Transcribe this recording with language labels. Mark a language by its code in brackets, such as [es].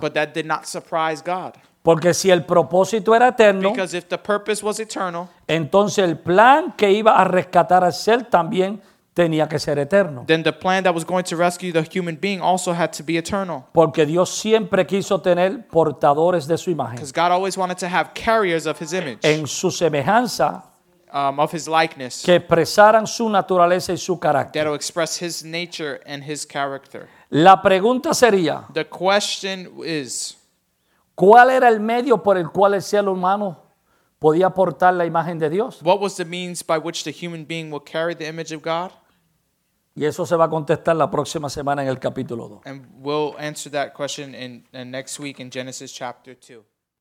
[en] But that did not surprise God. [es] Porque si el propósito era eterno, [en] because if the purpose was eternal, [es] entonces el plan que iba a rescatar al ser también tenía que ser eterno. [en] Then the plan that was going to rescue the human being also had to be eternal. [es] Porque Dios siempre quiso tener portadores de su imagen. [en] Because God always wanted to have carriers of his image. [es] En su semejanza. [en] Of his likeness. [es] Que expresaran su naturaleza y su carácter. [en] That'll express his nature and his character. [es] La pregunta sería. [en] The question is. [es] ¿Cuál era el medio por el cual el ser humano podía portar la imagen de Dios? [en] What was the means by which the human being would carry the image of God? [es] Y eso se va a contestar la próxima semana en el capítulo 2. [en] And we'll answer that question in next week in Genesis chapter 2.